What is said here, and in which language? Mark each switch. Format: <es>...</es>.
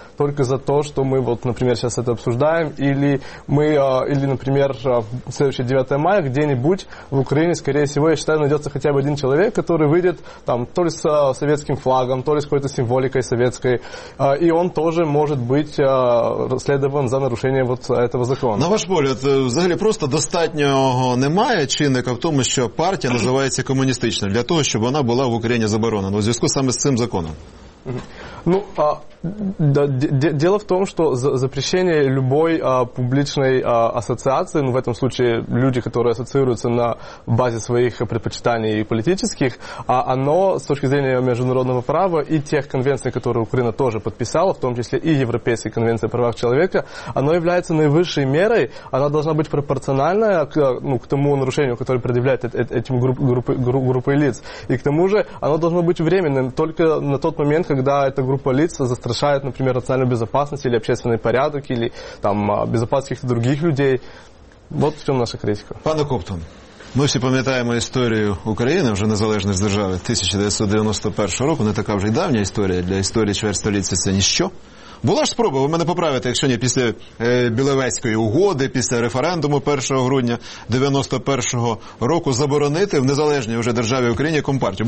<ru>Только за то, что мы, вот, например, сейчас это обсуждаем, или, например, в следующее 9 мая где-нибудь в Украине, скорее всего, я считаю, найдется хотя бы один человек, который выйдет там, то ли с советским флагом, то ли с какой-то символикой советской, и он тоже может быть расследован за нарушение вот этого закона.</ru> <uk>На ваш погляд, взагалі просто достатнього немає чинника в тому, що партія називається комуністична, для того, щоб вона була в Україні заборонена, у зв'язку саме з цим законом?</uk> <ru>Ну, дело в том, что запрещение любой публичной ассоциации, ну, в этом случае люди, которые ассоциируются на базе своих предпочитаний политических, оно с точки зрения международного права и тех конвенций, которые Украина тоже подписала, в том числе и Европейской конвенции о правах человека, оно является наивысшей мерой, она должна быть пропорциональная к, ну, к тому нарушению, которое предъявляет этим группой лиц. И к тому же оно должно быть временным, только на тот момент, когда эта группа лиц застрашает, например, национальную безопасность или общественный порядок, или там безопасность каких-то других людей. Вот в чем наша критика.</ru> <uk>Пане Коптун, ми всі пам'ятаємо історію України, вже незалежність держави 1991 року, не така вже й давня історія, для історії чверть-століття це ніщо. Була ж спроба, ви мене поправите, якщо ні, після Біловезької угоди, після референдуму 1 грудня 91-го року заборонити в незалежній вже державі Україні Компартію.</uk>